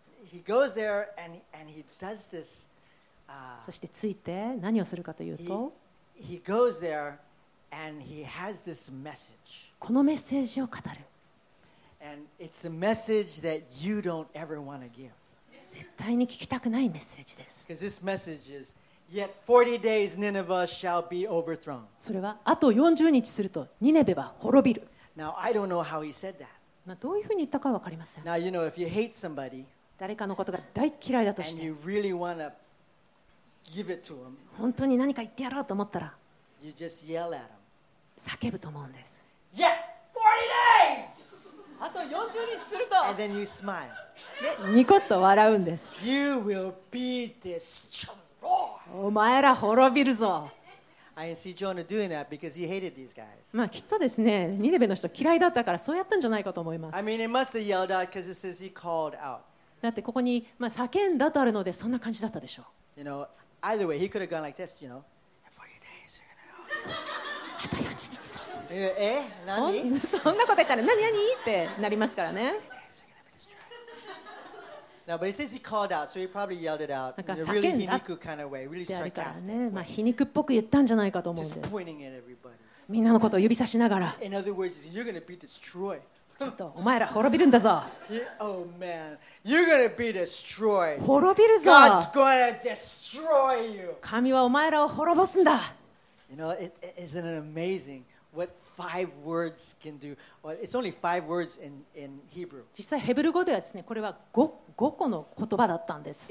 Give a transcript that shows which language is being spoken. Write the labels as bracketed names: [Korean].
[English] he goes there and he does this, [Japanese] そして着いて何をするかというと [English] he goes there and he has this message. [Japanese] このメッセージを語る。 [English] And it's a message that you don't ever want to give. [Japanese] 絶対に聞きたくないメッセージです。 [English] Because this message is, yet 40 days Nineveh shall be overthrown. [Japanese] それはあと40日するとニネベは滅びる。 [English] Now I don't know how he said that. [Japanese] まあどういうふうに言ったかは分かりません。 [English] Now you know if you hate somebody, [Japanese] 誰かのことが大嫌いだとして、 [English] and you really want to give it to him, [Japanese] 本当に何か言ってやろうと思ったら、 [English] you just yell at him. [Japanese] 叫ぶと思うんです。 [English] Yet 40 days! [Japanese] あと40日すると、 [English] And then you smile. [Japanese] でニコッと笑うんです。 [English] You will be destroyed. [Japanese] お前ら滅びるぞ。 [English] I see Jonah doing that because he hated these guys. [Japanese] まあきっとですね、ニネベの人嫌いだったからそうやったんじゃないかと思います。 [English] I mean, he must have yelled out because it says he called out. [Japanese] だってここに、まあ、叫んだとあるのでそんな感じだったでしょう。 [English] You know, either way, he could have gone like this, you know. 40 days, you know. [Japanese] あと40日すると。 え、何？そんなこと言ったら何何ってなりますからね。 [English] Now, but it says he called out, so he probably yelled it out in a really 皮肉 kind of way, really sarcastic. [Japanese] だからね、まあ皮肉っぽく言ったんじゃないかと思うんです。 [English] Just pointing at everybody. [Japanese] みんなのことを指差しながら。 [English] In other words, you're going to be destroyed. [Japanese] ちょっとお前ら滅びるんだぞ。 [English] Oh man, you're going to be destroyed. [Japanese] 滅びるぞ。 [English] God's going to destroy you. [Japanese] 神はお前らを滅ぼすんだ。 [English] You know, isn't it amazing? What five words can do? Well, it's only five words in Hebrew. [Japanese] 実際ヘブル語ではですね、これは 5個の言葉だったんです。